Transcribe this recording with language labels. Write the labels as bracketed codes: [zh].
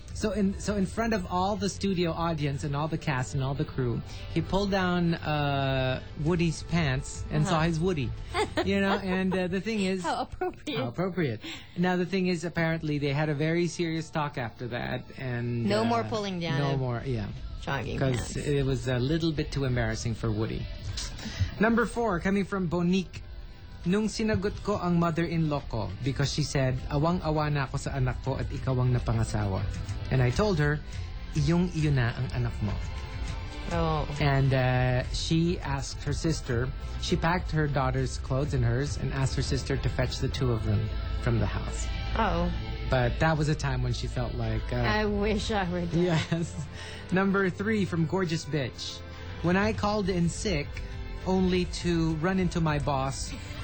[en] So in front of all the studio audience and all the cast and all the crew, he pulled down Woody's pants and saw his Woody. You know, and the thing is... How appropriate. Now, the thing is, apparently, they had a very serious talk after that. And no more pulling down. No more, yeah. Jogging pants. Because it was a little bit too embarrassing for Woody. Number four, coming from Bonique. [tl] Nung sinagot ko ang mother-in-law ko [en] because she said, [tl] awang-awa na ako sa anak ko at ikaw ang napangasawa. [en] And I told her, [tl] iyong iyo na ang anak mo. Oh. [en] And she asked her sister, she packed her daughter's clothes and hers and asked her sister to fetch the two of them from the house. Oh. But that was a time when she felt like... I wish I were dead. Yes. Number three from Gorgeous Bitch. When I called in sick, only to run into my boss...